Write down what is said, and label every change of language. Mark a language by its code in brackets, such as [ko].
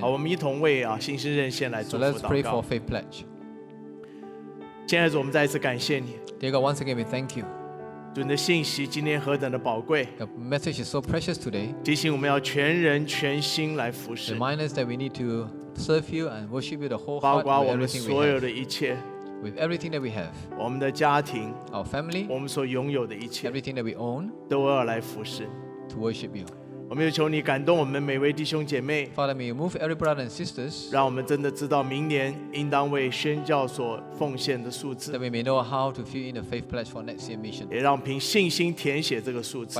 [zh] 好，我们一同为信心任线来祝福祷告。 [en] So let's pray for faith pledge. [zh] 亲爱的主，我们再一次感谢你。 [en] Dear God, once again, we thank you. [zh] 主的信息今天何等的宝贵 [en] The message is so precious today [zh] 提醒我们要全人全心来服侍 [en] Remind us that we need to serve you and worship you the whole heart [zh] 包括我们所有的一切 [en] With everything that we have [zh] 我们的家庭 [en] Our family [zh] 我们所拥有的一切 [en] Everything that we own [zh] 都要来服侍 [en] To worship you [zh] 我们又求你感动我们每位弟兄姐妹 [en] Father, may you move every brother and sisters [zh] 让我们真的知道明年应当为宣教所奉献的数字 [en] That we may know how to fill in the faith pledge for next year mission [zh] 也让凭信心填写这个数字